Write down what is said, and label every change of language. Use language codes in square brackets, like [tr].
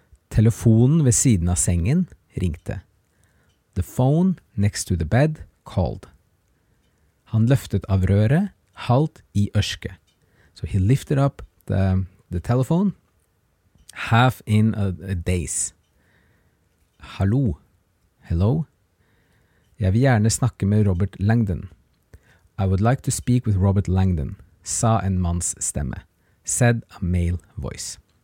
[no] Telefonen ved siden av sengen ringte. [en] The phone next to the bed called. [no] Han løftet av røret, halt I ørske. [en] So he lifted up the telephone, half in a daze. Hallo. Hello. [no] Jeg vil gjerne snakke med Robert Langdon. [en] I would like to speak with Robert Langdon, sa en manns stemme, said a male voice.